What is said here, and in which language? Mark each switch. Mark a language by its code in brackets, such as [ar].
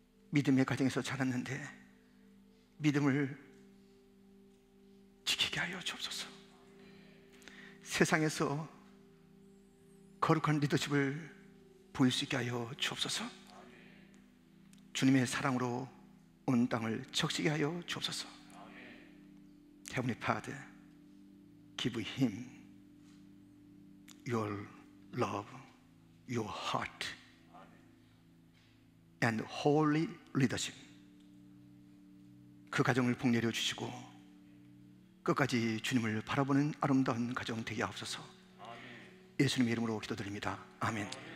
[ko] 믿음의 가정에서 자랐는데 믿음을 지키게 하여 주옵소서. 세상에서 거룩한 리더십을 보일 수 있게 하여 주옵소서. 주님의 사랑으로 온 땅을 적시게 하여 주옵소서. [en] Heavenly Father, give him your love, your heart, and holy leadership. [ko] 그 가정을 복 내려주시고 끝까지 주님을 바라보는 아름다운 가정 되게 하옵소서. 예수님 이름으로 기도드립니다. 아멘.